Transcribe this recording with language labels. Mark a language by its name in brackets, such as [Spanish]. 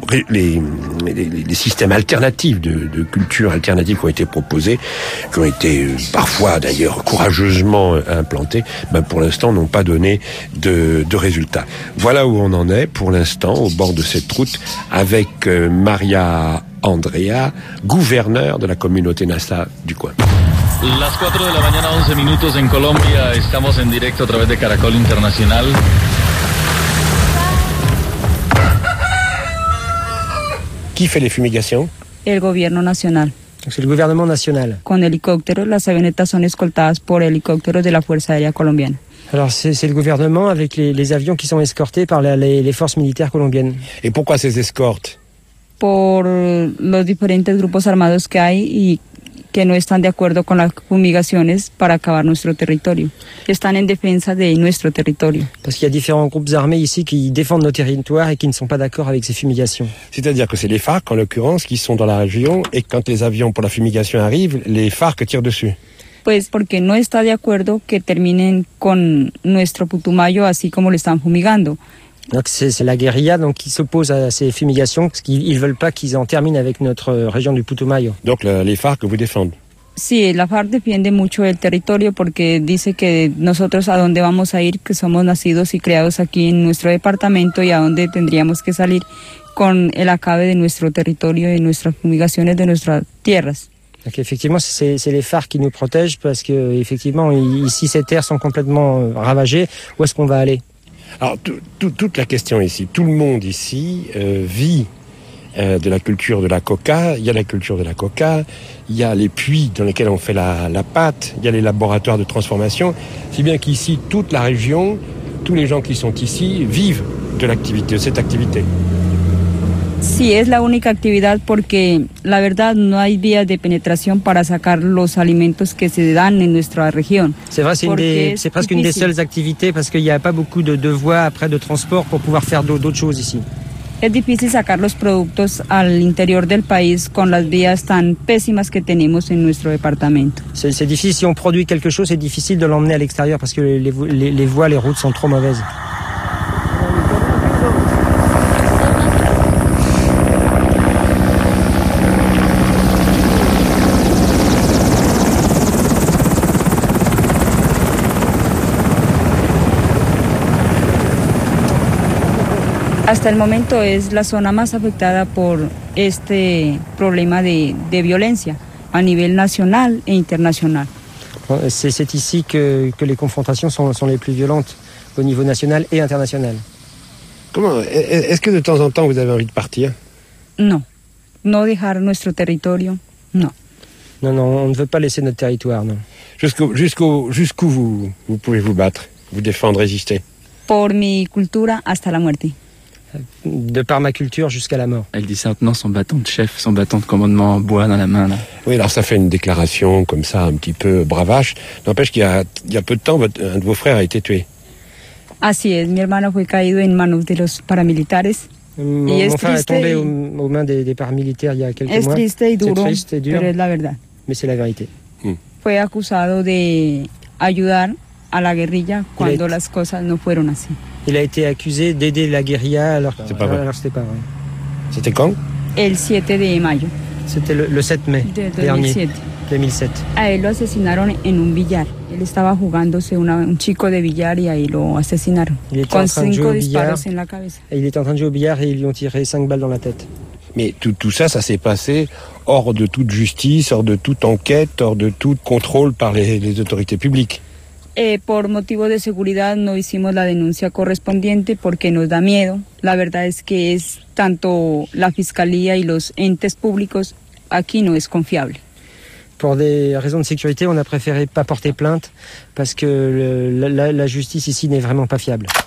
[French] Les systèmes alternatifs de culture alternative qui ont été proposés, qui ont été parfois d'ailleurs courageusement implantés, ben pour l'instant n'ont pas donné de résultats. Voilà où on en est pour l'instant au bord de cette route avec Maria Andrea, gouverneur de la communauté Nassa du coin. [Spanish] Las 4 de la mañana, 11 minutos en Colombia. Estamos en directo a través de Caracol Internacional. [French] Qui fait les fumigations? [Spanish] El gobierno nacional. [French] Donc c'est le gouvernement national. [Spanish] Con helicópteros, las avionetas son escoltadas por helicópteros de la Fuerza Aérea Colombiana. [French] Alors c'est le gouvernement avec les avions qui sont escortés par les forces militaires colombiennes. Et pourquoi ces escortes? [Spanish] Por los diferentes grupos armados que hay y que no están de acuerdo con las fumigaciones para acabar nuestro territorio. Están en defensa de nuestro territorio. [French] Parce qu'il y a différents groupes armés ici qui défendent nos territoires et qui ne sont pas d'accord avec ces fumigations. C'est-à-dire que c'est les FARC, en l'occurrence, qui sont dans la région, et quand les avions pour la fumigation arrivent, les FARC tirent dessus. [Spanish] Pues porque no está de acuerdo que terminen con nuestro Putumayo así como lo están fumigando. [French] Donc c'est la guérilla donc qui s'oppose à ces fumigations parce qu'ils veulent pas qu'ils en terminent avec notre région du Putumayo. Donc les FARC que vous défendent. [Spanish] Sí, la FARC defiende mucho el territorio porque dice que nosotros a dónde vamos a ir, que somos nacidos y criados aquí en nuestro departamento y a dónde tendríamos que salir con el acabe de nuestro territorio y nuestras fumigaciones de nuestras tierras. [French] Donc effectivement, c'est les FARC qui nous protègent parce que effectivement ici ces terres sont complètement ravagées. Où est-ce qu'on va aller? Alors, toute la question ici, tout le monde ici vit de la culture de la coca. Il y a la culture de la coca, il y a les puits dans lesquels on fait la pâte, il y a les laboratoires de transformation. Si bien qu'ici, toute la région, tous les gens qui sont ici vivent de l'activité, de cette activité. [Spanish] Sí, es la única actividad porque la verdad no hay vía de penetración para sacar los alimentos que se dan en nuestra región. [French] C'est vrai, c'est presque une des seules activités parce qu'il n'y a pas beaucoup de voies après de transport pour pouvoir faire d'autres choses ici. [Spanish] Es difícil sacar los productos al interior del país con las vías tan pésimas que tenemos en nuestro departamento. [French] C'est difficile, si on produit quelque chose, c'est difficile de l'emmener à l'extérieur parce que les voies, les routes sont trop mauvaises. [Spanish] Hasta el momento es la zona más afectada por este problema de violencia a nivel nacional e internacional. [French] C'est ici que les confrontations sont les plus violentes au niveau national et international. Comment est-ce que de temps en temps vous avez envie de partir? Non. [Spanish] No dejar nuestro territorio. No. [French] Non, non, on ne veut pas laisser notre territoire, non. Jusqu'où vous pouvez vous battre, vous défendre, résister? [Spanish] Por mi cultura hasta la muerte. [French] De par ma culture jusqu'à la mort. Elle dit ça en tenant son bâton de chef, son bâton de commandement en bois dans la main. Là. Oui, alors ça fait une déclaration comme ça, un petit peu bravache. N'empêche qu'il y a peu de temps, un de vos frères a été tué. [Spanish] Así es, mi hermano fue caído en manos de los paramilitares. [French] Mon frère triste est tombé aux mains des paramilitaires il y a quelques mois. [Spanish] Triste y duro, [French] c'est triste et dur, [Spanish] pero es la verdad. [French] Mais c'est la vérité. [Spanish] Fue acusado de ayudar a la guerrilla cuando las cosas no fueron así. [French] Il a été accusé d'aider la guérilla alors que c'était pas vrai. C'était quand? [Spanish] El 7 de mayo. [French] C'était le 7 mai de 2007. Dernier, 2007. [Spanish] A él lo asesinaron en un billar. Él estaba jugándose un chico de billar y ahí lo asesinaron. [French] Il était [Spanish] con [French] en train de jouer au billar. [Spanish] Disparos en la cabeza. [French] Il était en train de jouer au billar et ils lui ont tiré 5 balles dans la tête. Mais tout ça s'est passé hors de toute justice, hors de toute enquête, hors de tout contrôle par les autorités publiques. [Spanish] Por motivo de seguridad no hicimos la denuncia correspondiente porque nos da miedo. La verdad es que es tanto la fiscalía y los entes públicos aquí no es confiable. Por [French] des raisons de sécurité, on a préféré pas porter plainte parce que la justice ici n'est vraiment pas fiable.